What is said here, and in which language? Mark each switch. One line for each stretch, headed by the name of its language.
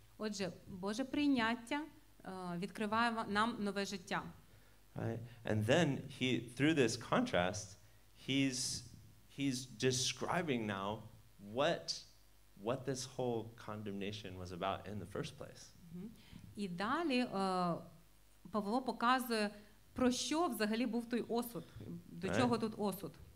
Ukrainian: Отже, Боже прийняття відкриває нам нове життя.
English: Right? And then he, through this contrast, he's describing now what this whole condemnation was about in the first place.
Ukrainian: І далі Павло показує, про що взагалі був той осуд, до чого тут осуд.